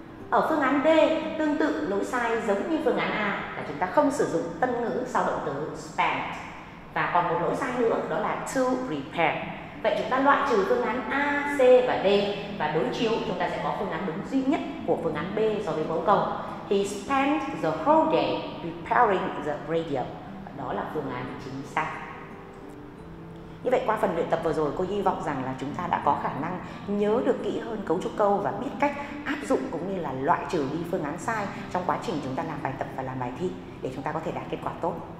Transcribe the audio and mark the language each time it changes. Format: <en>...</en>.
<vi>Ở phương án D, tương tự lỗi sai giống như phương án A là chúng ta không sử dụng tân ngữ sau động từ spend. Và còn một lỗi sai nữa, đó là</vi> <en>to repair.</en> <vi>Vậy chúng ta loại trừ phương án A, C và D và đối chiếu, chúng ta sẽ có phương án đúng duy nhất của phương án B so với mẫu câu.</vi> <en>He spent the whole day repairing the radio.</en> <vi>Đó là phương án chính xác. Như vậy qua phần luyện tập vừa rồi, cô hy vọng rằng là chúng ta đã có khả năng nhớ được kỹ hơn cấu trúc câu và biết cách áp dụng cũng như là loại trừ đi phương án sai trong quá trình chúng ta làm bài tập và làm bài thi để chúng ta có thể đạt kết quả tốt.</vi>